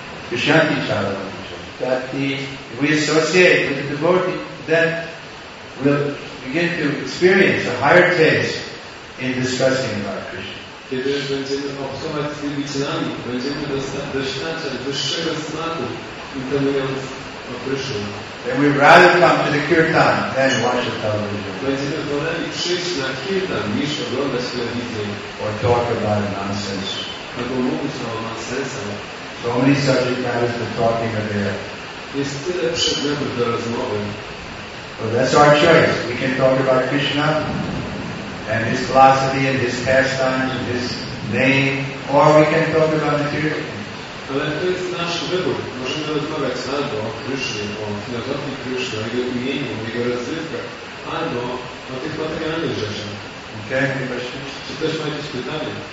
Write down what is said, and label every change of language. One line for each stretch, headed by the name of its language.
English: That if we associate with the devotee, then we'll begin to experience a higher taste in discussing about Krishna.
Polish: Kiedy będziemy obcować z wielbicielami, będziemy doświadczać wyższego smaku, intonując o Krishna.
English: We'd rather come to the kirtan than watch the television.
Polish: Będziemy woleli przyjść na kirtan niż oglądać telewizję.
English: Or talk about nonsense.
Polish: Albo mówić o nonsense.
English: So many subject matters for talking are there.
Polish: Jest tyle przedmiotów do rozmowy.
English: But that's our choice. We can talk about Krishna and his philosophy and his pastimes and his name, or we can talk about material things.
Polish: Ale to jest nasz wybór. Możemy rozmawiać albo o Krishnie, o filozofii Krishna, o jego imieniu, o jego rozrywkach, albo o tych materialnych rzeczach.
English: Okay, any questions?
Polish: Czy ktoś ma jakieś pytanie?